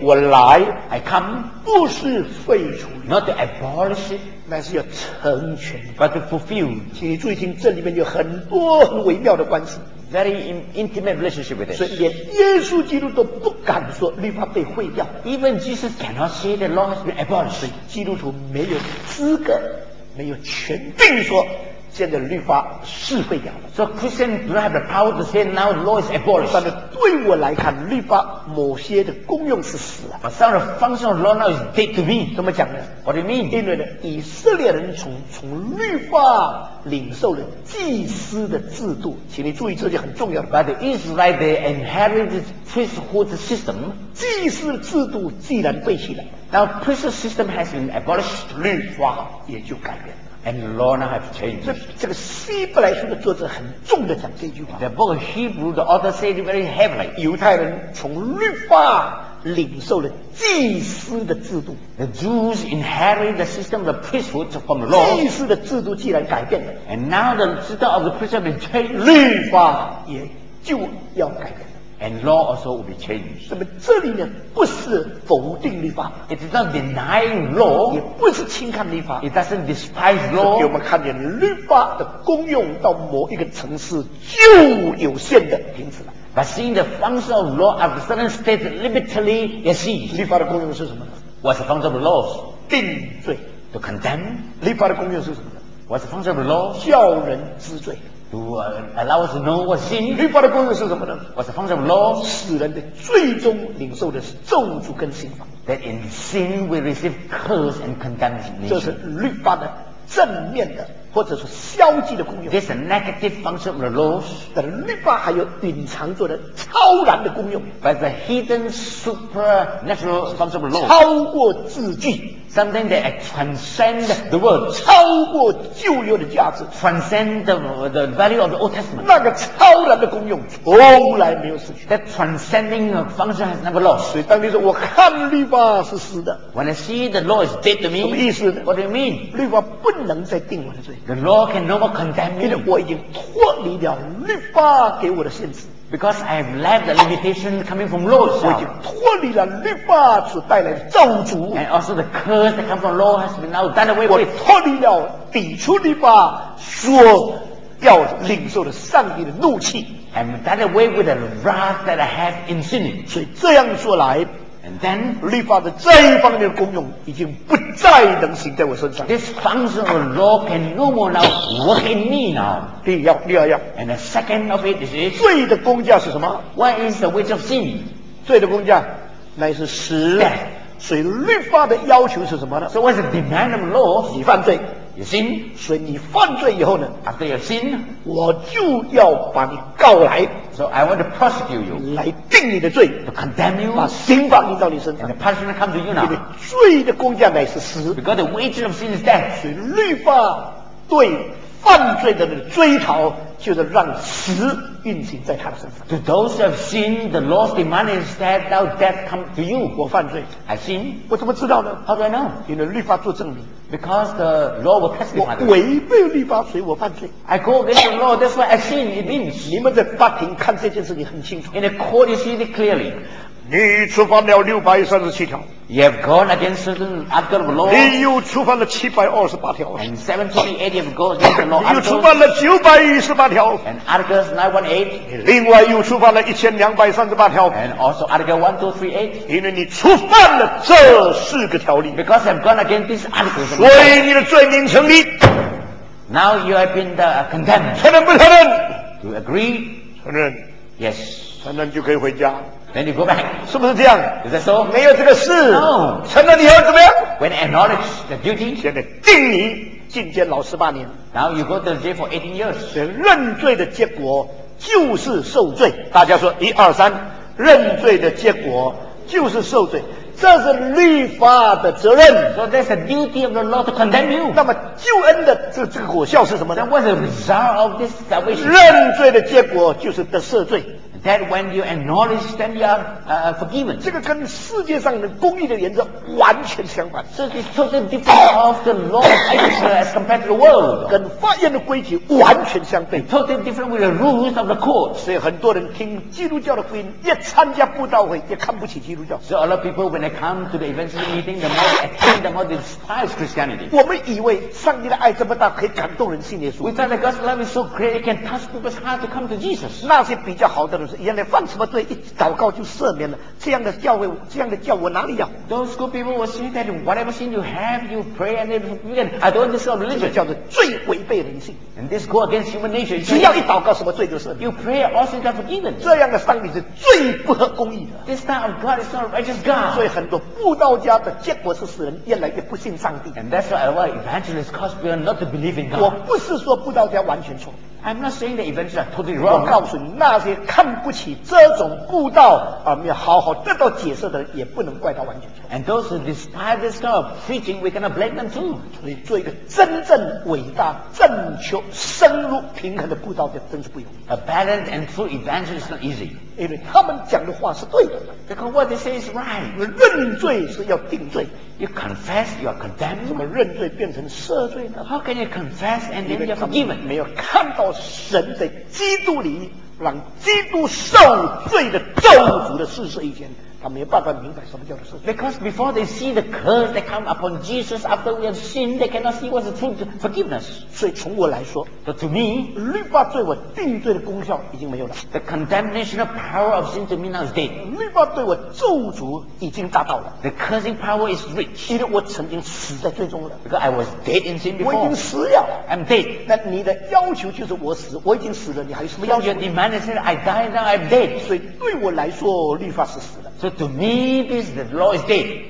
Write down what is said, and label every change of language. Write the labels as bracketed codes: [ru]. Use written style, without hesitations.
[zh] 我来 [en] ，I come， [zh] 不是废除 [en] ，Not to abolish it， [zh] 乃是要成全 [en] ，But to fulfill。 [zh] 请你注意听，这里面有很多很微妙的关系。 [en] Very intimate relationship with it. [zh] 所以连耶稣基督都不敢说律法被废掉。 [en] Even Jesus cannot say the law has been abolished. [zh] 所以基督徒没有资格，没有权定说现在律法是废掉了。 [en] So Christians do not have the power to say now the law is abolished. [zh] 但是对我来看，律法某些的功用是死了。 [en] But some of the function of law now is dead to me. [zh] 怎么讲呢 [en] ？What do you mean? [zh] 因为呢，以色列人从律法领受了祭司的制度，请你注意这就很重要的。 [en] But the Israelites they inherited priesthood system. [zh] 祭司的制度既然废弃了 [en] ，now priesthood system has been abolished. [zh] 律法也就改变了。 [en] And law now have changed. [zh] 这个希伯来书的作者很重的讲这句话。 [en] The book of Hebrew, the author said it very heavily. [zh] 犹太人从律法领受了祭司的制度。 [en] The Jews inherited the system of the priesthood from the law. [zh] 祭司的制度既然改变了。 [en] And now the system of the priesthood has been changed. [zh] 律法也就要改变。 [en] And law also will be changed. [zh] 那么这里呢，不是否定律法 [en] ，It is not denying law. [zh] 也不是轻看律法 [en] ，It doesn't despise law. [zh] 给我们看见律法的功用到某一个层次就有限的停止了。 [en] But seeing the function of law at a certain state limitedly, you see. [zh] 律法的功用是什么呢 [en] ？What's the function of the laws? [zh] 定罪 [en] ，to condemn. [zh] 律法的功用是什么呢 [en] ？What's the function of the law? [zh] 叫人知罪。 [en] To allow us to know what sin. [zh] 律法的功用是什么呢 [en] ？What's the function of law? [zh] 使人的最终领受的是咒诅跟刑罚。 [en] That in sin we receive curse and condemnation. [zh] 这是律法的正面的或者说消极的功用。 [en] This is a negative function of the law. [zh] 但是律法还有隐藏着的超然的功用。 [en] But the hidden supernatural function of the law. [zh] 超过字句。 [en] Something that transcends the world, [zh] 超过旧约的价值 [en] transcend the value of the Old Testament. [zh] 那个超然的功用从来没有失去 [en] That transcending function has never lost. [zh] 所以当你说我看律法是死的 [en] When I see the law is dead to me, [zh] 什么意思呢 [en] What do you mean? [zh] 律法不能再定我的罪 [en] The law can no more condemn me. [zh] 因为我已经脱离了律法给我的限制 [en] Because I have left the limitation coming from law. [zh] 我已经脱离了律法所带来的咒诅。 [en] And also the curse that comes from law has been now done away with. [zh] 我脱离了抵触律法所要领受的上帝的怒气。 [en] I'm done away with the wrath that I have in sin. [zh] 所以这样说来。 [en] And then, [zh] 律法的这一方面的功用已经不再能行在我身上。 [en] This function of law can no more now work in me now. [zh] 第二要。 [en] And the second of it is, [zh] 罪的工价是什么 [en] ？What is the wage of sin? [zh] 罪的工价乃是死。 [en] Death. [zh] 所以律法的要求是什么呢 [en] ？So what's the demand of law? [zh] 你犯罪。 [en] You sin. [zh] 所以你犯罪以后呢 [en] ？After you sin, [zh] 我就要把你告来。 [en] So I want to prosecute you. [zh] 来定你的罪。 [en] To condemn you. [zh] 把刑罚临到你身上。 [en] And the punishment comes to you now. [zh] 因为罪的工价乃是死。 [en] Because the wages of sin is death. [zh] 所以律法对犯罪的那个追讨，就是让死运行在他的身上。 [en] To those who have sinned, the Lord's demand is that now death come to you. [zh] 我犯罪 [en] ，I sin. [zh] 我怎么知道呢 [en] ？How do I know? [zh] 因为律法做证明。 [en] Because the law will testify. [zh] 我违背律法，所以我犯罪。 [en] I go against the law, that's why I sin. It means [zh] 你们在法庭看这件事情很清楚。 [en] In the court, you see it clearly. [zh] 你触犯了637条。 [en] You have gone against certain articles of law. [zh] 你又触犯了728条。 [en] And 728 you have gone against the law. [zh] 你又触犯了918条。 [en] And articles 918. [zh] 另外又触犯了1238条。 [en] And also article 1238. [zh] 因为你触犯了这四个条例。 [en] Because I've gone against these articles. [zh] 所以你的罪名成立。 [en] Now you have been the condemned. [zh] 承认不承认？ [en] Do you agree? [zh] 承认。 [en] Yes. [zh] 承认就可以回家。 [en] Then you go back. [zh] 是不是这样？ [en] Is that so? [zh] 没有这个事。 [en] No. [zh] 承认以后怎么样？ [en] When acknowledge the duty. [zh] 现在定你进监牢十八年。 [en] Now you go to jail for 18 years. [zh] 认罪的结果就是受罪。大家说一二三，认罪的结果就是受罪，这是律法的责任。 [en] So that's the duty of the law to condemn you. [zh] 那么救恩的这个果效是什么呢？ [en] Then what's the result of this salvation? [zh] 认罪的结果就是得赦罪。 [en] That when you acknowledge, then you are forgiven. [zh] 这个跟世界上的公义的原则完全相反。 [en] So it's totally different of the law of righteousness as compared to the world. [zh] 跟法院的规矩完全相悖。 [en] Totally different with the rules of the court. [zh] 所以很多人听基督教的福音，越参加布道会越看不起基督教。 [en] So a lot of people when they come to the evangelistic meeting, the more they attend, the more they despise Christianity. [zh] 我们以为上帝的爱这么大，可以感动人信耶稣。 [en] We thought that God's love is so great, it can touch people's heart to come to Jesus. [zh] 那些比较好的人。原来犯什么罪，一祷告就赦免了。这样的教会，这样的教我哪里要 [en] ？Those good people will say that whatever sin you have, you pray and it's forgiven. I don't understand religion. [zh] 叫做罪违背人性。 [en] And this go against human nature. [zh] 只要一祷告，什么罪都是。 [en] You pray, all sins are forgiven. [zh] 这样的上帝是最不合公义的。 [en] This kind of God is not a righteous God. [zh] 所以很多布道家的结果是使人越来越不信上帝。 [en] And that's why a lot of evangelists cause people not to believe in God. [zh] 我不是说布道家完全错。 [en] I'm not saying the events are totally wrong. [zh] 我告诉你，那些看不起这种布道啊，没有好好得到解释的人，也不能怪他完全错。 [en] And those who despise this kind of preaching, we cannot blame them too. [zh] 所以，做一个真正伟大、正确、深入、平衡的布道家，真是不容易。 [en] A balanced and true evangelist is not easy. [zh] 因为他们讲的话是对的。 [en] Because what they say is right. [zh] 认罪是要定罪。 [en] You confess, you are condemned. [zh] 怎么认罪变成赦罪呢 [en] ？How can you confess and then you're forgiven? [zh] 没有看到。到神在基督里让基督受罪的咒诅的事实以前，他没有办法明白什么叫做赦罪。 [en] Because before they see the curse that come upon Jesus after we have sinned, they cannot see what's the true forgiveness. [zh] 所以从我来说 [en] ，But to me, [zh] 律法对我定罪的功效已经没有了。 [en] The condemnation power of sin to me now is dead. [zh] 律法对我咒诅已经达到了。 [en] The cursing power is rich. [zh] 因为我曾经死在罪中了。 [en] Because I was dead in sin before. [zh] 我已经死了。 [en] I'm dead. [zh] 那你的要求就是我死，我已经死了，你还有什么要求 [en] ？Your demand is that I die now. I'm dead. [zh] 所以对我来说，律法是死了。 [en] So to me, this the law is dead.